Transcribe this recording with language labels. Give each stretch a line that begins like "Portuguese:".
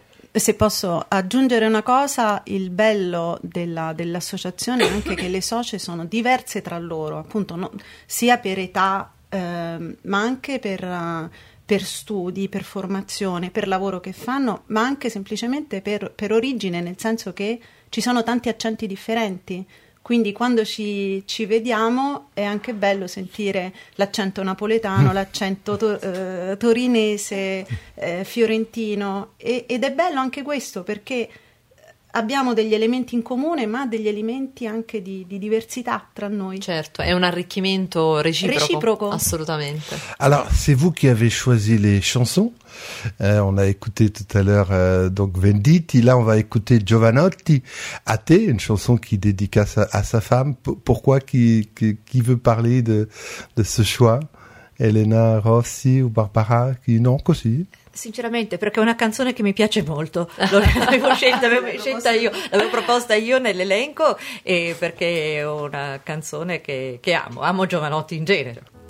Italian: se posso aggiungere una cosa, il bello dell'associazione è anche che le socie sono diverse tra loro, appunto, no, sia per età ma anche per studi, per formazione, per lavoro che fanno, ma anche semplicemente per origine, nel senso che ci sono tanti accenti differenti, quindi quando ci vediamo è anche bello sentire l'accento napoletano, l'accento torinese, fiorentino, ed è bello anche questo perché abbiamo degli elementi in comune, ma degli elementi anche di diversità tra noi. Certo, è un arricchimento reciproco. Assolutamente.
French: Alors, c'est vous qui avez choisi les chansons. On a écouté tout à l'heure donc Venditti. Là, on va écouter Giovanotti, Até, une chanson qu'il dédicace à sa femme. Pourquoi qui veut parler de ce choix? Elena Rossi ou Barbara? Non, così.
Italian: Sinceramente, perché è una canzone che mi piace molto, l'avevo proposta io nell'elenco, e perché è una canzone che amo Giovanotti in genere.